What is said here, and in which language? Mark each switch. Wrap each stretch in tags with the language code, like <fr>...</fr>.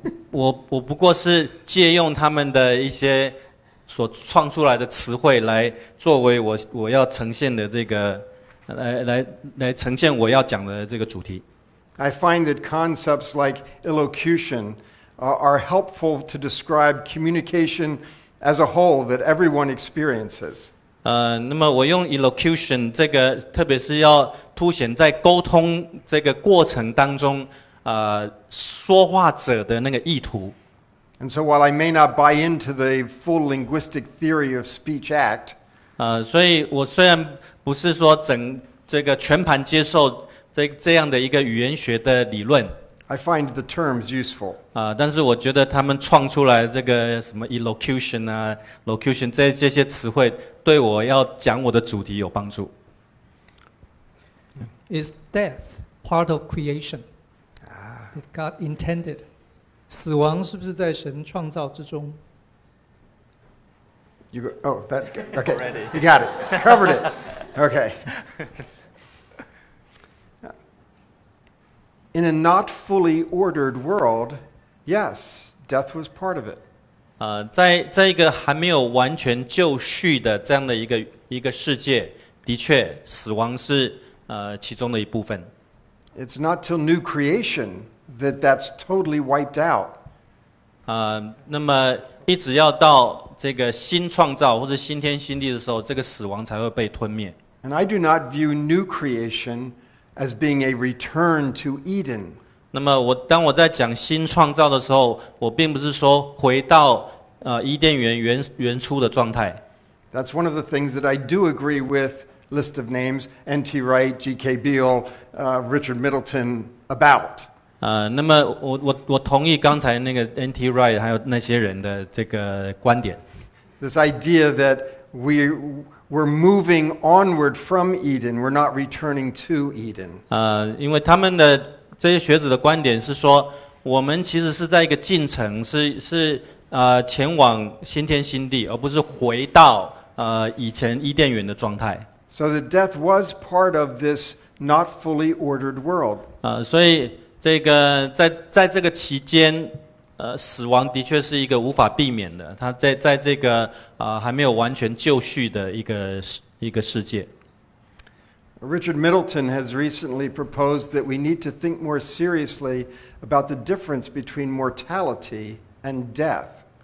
<zh>我不过是借用他们的一些所创出来的词汇来作为我要呈现的这个。来呈现我要讲的这个主题。</zh> <en>I find that concepts like elocution are helpful to describe communication as a whole that everyone experiences.</en> <zh>那么我用 elocution 这个，特别是要凸显在沟通这个过程当中，说话者的那个意图。</zh> <en>And so while I may not buy into the full linguistic theory of speech act,</en> <zh>所以我虽然不是说这个全盘接受这样的一个语言学的理论。</zh> <en>I find the terms useful.</en> <zh>但是我觉得他们创出来这个什么 elocution 啊 ，locution 这些词汇，对我要讲我的主题有帮助。</zh> <en>Is death part of creation? Did God intended?</en> <zh>死亡是不是在神创造之中？</zh> <en>You go, oh, that, okay, you got it, covered it, okay. In a not fully ordered world, yes, death was part of it.</en> <zh>在一个还没有完全就绪的这样的一个世界，的确，死亡是其中的一部分。</zh> <en>It's not till new creation that's totally wiped out.</en> <zh>那么一直要到这个新创造或者新天新地的时候，这个死亡才会被吞灭。</zh> <en>And I do not view new creation as being a return to Eden.</en> <zh>那么我当我在讲新创造的时候，我并不是说回到伊甸园原初的状态。</zh> <en>That's one of the things that I do agree with list of names N.T. Wright, G.K. Beale, Richard Middleton about.</en> <zh>那么我同意刚才那个 N.T. Wright 还有那些人的这个观点。</zh> <en>This idea that We're moving onward from Eden. We're not returning to Eden.</en> <zh>因为他们的这些学者的观点是说，我们其实是在一个进程，前往新天新地，而不是回到以前伊甸园的状态。</zh> <en>So the death was part of this not fully ordered world.</en> <zh>所以这个在这个期间。死亡的确是一个无法避免的，它在这个还没有完全就绪的一个世界。</zh> <en>Richard Middleton has recently proposed that we need to think more seriously about the difference between mortality and death.</en>